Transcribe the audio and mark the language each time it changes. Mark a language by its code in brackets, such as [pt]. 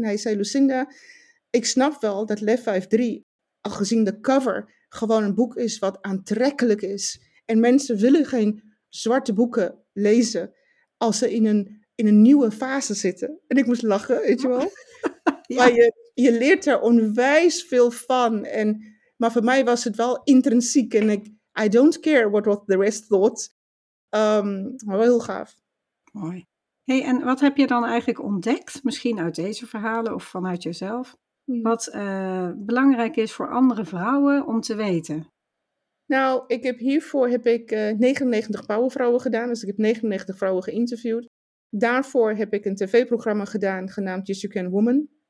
[nl] En hij zei, Lucinda, ik snap wel dat Lef 5-3, al gezien de cover, gewoon een boek is wat aantrekkelijk is. En mensen willen geen zwarte boeken lezen als ze in een nieuwe fase zitten. En ik moest lachen, weet je wel. Ja. Maar je leert er onwijs veel van. Maar voor mij was het wel intrinsiek. [en] En I don't care what the rest thought. [nl] Maar wel heel gaaf. Mooi. Hey, en wat heb je dan eigenlijk ontdekt? Misschien uit deze verhalen of vanuit jezelf. Wat belangrijk is voor andere vrouwen om te weten? Nou, heb ik 99 powervrouwen gedaan. Dus ik heb 99 vrouwen geïnterviewd. Daarvoor heb ik een tv-programma gedaan genaamd Yes, You Can Woman.